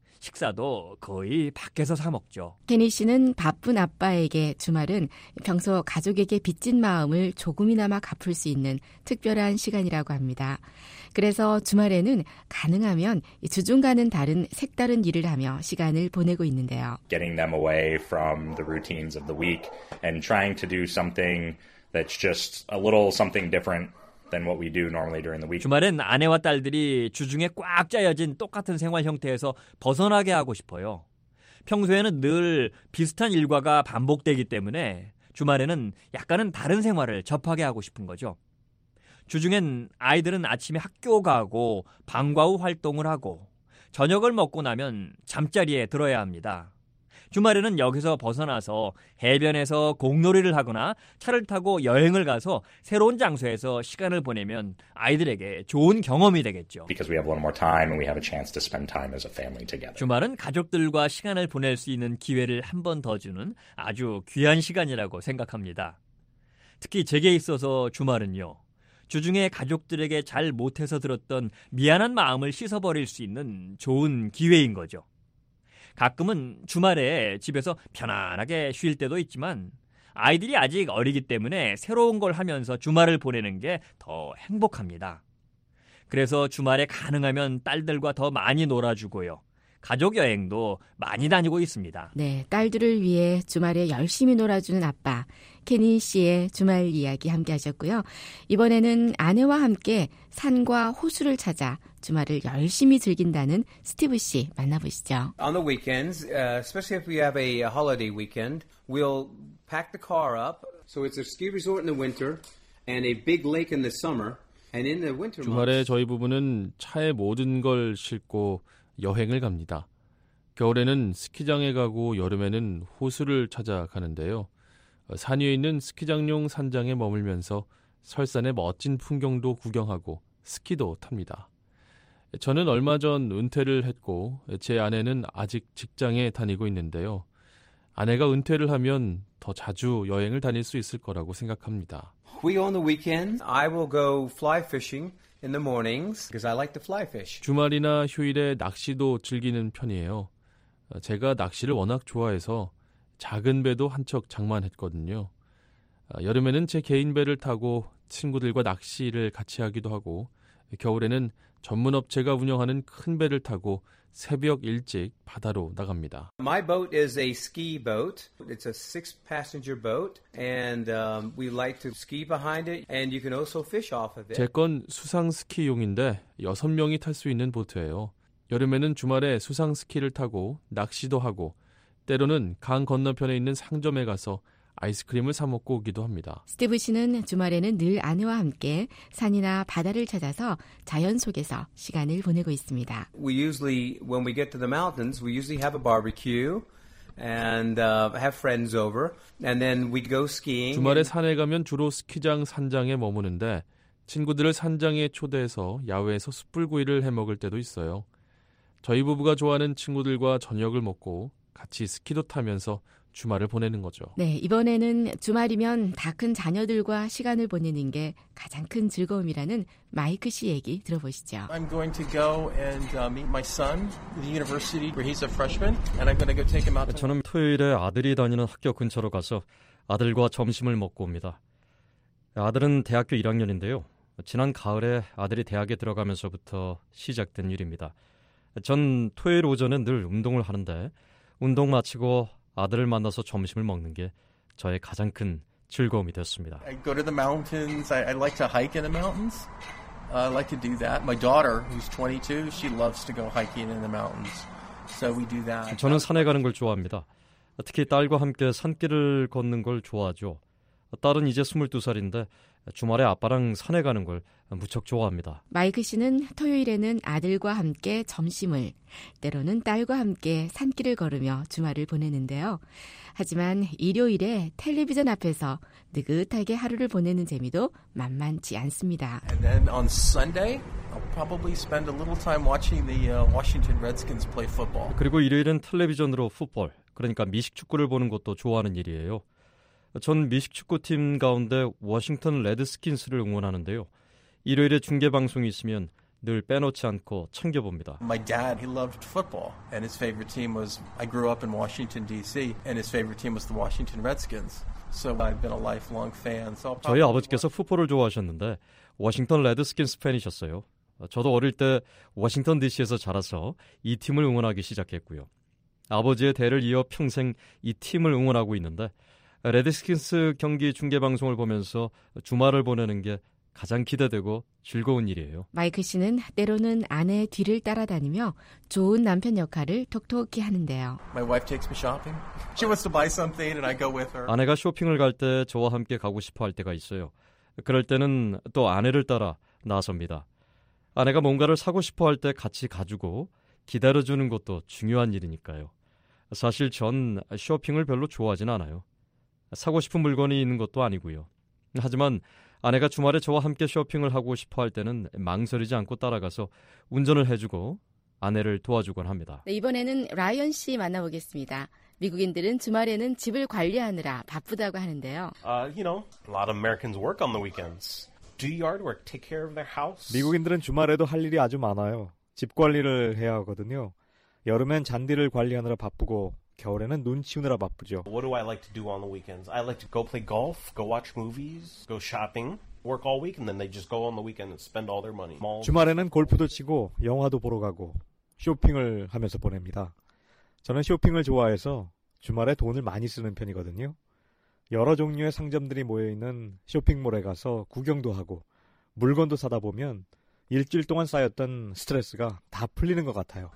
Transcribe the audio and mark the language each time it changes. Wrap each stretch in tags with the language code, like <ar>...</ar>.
<ko>식사도 거의 밖에서 사 먹죠. 케니 씨는 바쁜 아빠에게 주말은 평소 가족에게 빚진 마음을 조금이나마 갚을 수 있는 특별한 시간이라고 합니다. 그래서 주말에는 가능하면 주중과는 다른 색다른 일을 하며 시간을 보내고 있는데요.</ko> <en>Getting them away from the routines of the week and trying to do something that's just a little something different. Than what we do normally during the week.</en> <ko>주말엔 아내와 딸들이 주중에 꽉 짜여진 똑같은 생활 형태에서 벗어나게 하고 싶어요. 평소에는 늘 비슷한 일과가 반복되기 때문에 주말에는 약간은 다른 생활을 접하게 하고 싶은 거죠. 주중엔 아이들은 아침에 학교 가고 방과 후 활동을 하고 저녁을 먹고 나면 잠자리에 들어야 합니다. 주말에는 여기서 벗어나서 해변에서 공놀이를 하거나 차를 타고 여행을 가서 새로운 장소에서 시간을 보내면 아이들에게 좋은 경험이 되겠죠.</ko> <en>Because we have one more time and we have a chance to spend time as a family together.</en> <ko>주말은 가족들과 시간을 보낼 수 있는 기회를 한 번 더 주는 아주 귀한 시간이라고 생각합니다. 특히 제게 있어서 주말은요. 주중에 가족들에게 잘 못해서 들었던 미안한 마음을 씻어버릴 수 있는 좋은 기회인 거죠. 가끔은 주말에 집에서 편안하게 쉴 때도 있지만 아이들이 아직 어리기 때문에 새로운 걸 하면서 주말을 보내는 게 더 행복합니다. 그래서 주말에 가능하면 딸들과 더 많이 놀아주고요. 가족 여행도 많이 다니고 있습니다. 네, 딸들을 위해 주말에 열심히 놀아주는 아빠 케니 씨의 주말 이야기 함께 하셨고요. 이번에는 아내와 함께 산과 호수를 찾아 주말을 열심히 즐긴다는 스티브 씨 만나보시죠.</ko> <en>On the weekends, especially if we have a holiday weekend, we'll pack the car up. So it's a ski resort in the winter and a big lake in the summer.</en> <ko>주말에 저희 부부는 차에 모든 걸 싣고 여행을 갑니다. 겨울에는 스키장에 가고 여름에는 호수를 찾아가는데요. 산 위에 있는 스키장용 산장에 머물면서 설산의 멋진 풍경도 구경하고 스키도 탑니다. 저는 얼마 전 은퇴를 했고 제 아내는 아직 직장에 다니고 있는데요. 아내가 은퇴를 하면 더 자주 여행을 다닐 수 있을 거라고 생각합니다.</ko> <en>We on the weekend, I will go fly fishing in the mornings because I like to fly fish.</en> <ko>주말이나 휴일에 낚시도 즐기는 편이에요. 제가 낚시를 워낙 좋아해서 작은 배도 한 척 장만했거든요. 여름에는 제 개인 배를 타고 친구들과 낚시를 같이 하기도 하고 겨울에는 전문 업체가 운영하는 큰 배를 타고 새벽 일찍 바다로 나갑니다.</ko> <en>My boat is a ski boat. It's a 6-passenger boat and we like to ski behind it and you can also fish off of it.</en> <ko>제 건 수상 스키용인데 6명이 탈 수 있는 보트예요. 여름에는 주말에 수상 스키를 타고 낚시도 하고 때로는 강 건너편에 있는 상점에 가서 아이스크림을 사 먹고 오기도 합니다. 스티브 씨는 주말에는 늘 아내와 함께 산이나 바다를 찾아서 자연 속에서 시간을 보내고 있습니다.</ko> <en>We usually when we get to the mountains, we usually have a barbecue and have friends over and then we go skiing.</en> <ko>주말에 산에 가면 주로 스키장 산장에 머무는데 친구들을 산장에 초대해서 야외에서 숯불구이를 해 먹을 때도 있어요. 저희 부부가 좋아하는 친구들과 저녁을 먹고 같이 스키도 타면서 주말을 보내는 거죠. 네, 이번에는 주말이면 다 큰 자녀들과 시간을 보내는 게 가장 큰 즐거움이라는 마이크 씨 얘기 들어보시죠.</ko> <en>I'm going to go and meet my son in the university where he's a freshman and I'm going to go take him out.</en> <ko>저는 토요일에 아들이 다니는 학교 근처로 가서 아들과 점심을 먹고 옵니다. 아들은 대학교 1학년인데요. 지난 가을에 아들이 대학에 들어가면서부터 시작된 일입니다. 전 토요일 오전에 늘 운동을 하는데 운동 마치고 아들을 만나서 점심을 먹는 게 저의 가장 큰 즐거움이 되었습니다.</ko> <en>I go to the mountains. I like to hike in the mountains. I like to do that. My daughter, who's 22, she loves to go hiking in the mountains. So we do that.</en> <ko>저는 산에 가는 걸 좋아합니다. 특히 딸과 함께 산길을 걷는 걸 좋아하죠. 딸은 이제 22살인데 주말에 아빠랑 산에 가는 걸 무척 좋아합니다. 마이크 씨는 토요일에는 아들과 함께 점심을, 때로는 딸과 함께 산길을 걸으며 주말을 보내는데요. 하지만 일요일에 텔레비전 앞에서 느긋하게 하루를 보내는 재미도 만만치 않습니다.</ko> <en>And then on Sunday, I'll probably spend a little time watching the Washington Redskins play football.</en> <ko>그리고 일요일은 텔레비전으로 풋볼, 그러니까 미식축구를 보는 것도 좋아하는 일이에요. 전 미식축구팀 가운데 워싱턴 레드스킨스를 응원하는데요. 일요일에 중계방송이 있으면 늘 빼놓지 않고 챙겨봅니다.</ko> <en>My dad, he loved football, and his favorite team was, I grew up in Washington, D.C., and his favorite team was the Washington Redskins. So I've been a lifelong fan. So</en> <ko>저희 아버지께서 풋볼을 좋아하셨는데 워싱턴 레드스킨스 팬이셨어요. 저도 어릴 때 워싱턴 D.C.에서 자라서 이 팀을 응원하기 시작했고요. 아버지의 대를 이어 평생 이 팀을 응원하고 있는데 레드스킨스 경기 중계 방송을 보면서 주말을 보내는 게 가장 기대되고 즐거운 일이에요. 마이크 씨는 때로는 아내의 뒤를 따라다니며 좋은 남편 역할을 톡톡히 하는데요.</ko> <en>My wife takes me shopping. She wants to buy something and I go with her.</en> <ko>아내가 쇼핑을 갈 때 저와 함께 가고 싶어 할 때가 있어요. 그럴 때는 또 아내를 따라 나섭니다. 아내가 뭔가를 사고 싶어 할 때 같이 가주고 기다려주는 것도 중요한 일이니까요. 사실 전 쇼핑을 별로 좋아하진 않아요. 사고 싶은 물건이 있는 것도 아니고요. 하지만 아내가 주말에 저와 함께 쇼핑을 하고 싶어 할 때는 망설이지 않고 따라가서 운전을 해주고 아내를 도와주곤 합니다. 네, 이번에는 라이언 씨 만나보겠습니다. 미국인들은 주말에는 집을 관리하느라 바쁘다고 하는데요.</ko> <en>A lot of Americans work on the weekends. Do yard work, take care of their house.</en> <ko>미국인들은 주말에도 할 일이 아주 많아요. 집 관리를 해야 하거든요. 여름엔 잔디를 관리하느라 바쁘고 겨울에는 눈 치우느라 바쁘죠.</ko> <en>What do I like to do on the weekends? I like to go play golf, go watch movies, go shopping, work all week, and then they just go on the weekend and spend all their money.</en> <ko>주말에는 골프도 치고 영화도 보러 가고 쇼핑을 하면서 보냅니다. 저는 쇼핑을 좋아해서 주말에 돈을 많이 쓰는 편이거든요. 여러 종류의 상점들이 모여있는 쇼핑몰에 가서 구경도 하고 물건도 사다 보면 일주일 동안 쌓였던 스트레스가 다 풀리는 것 같아요.</ko>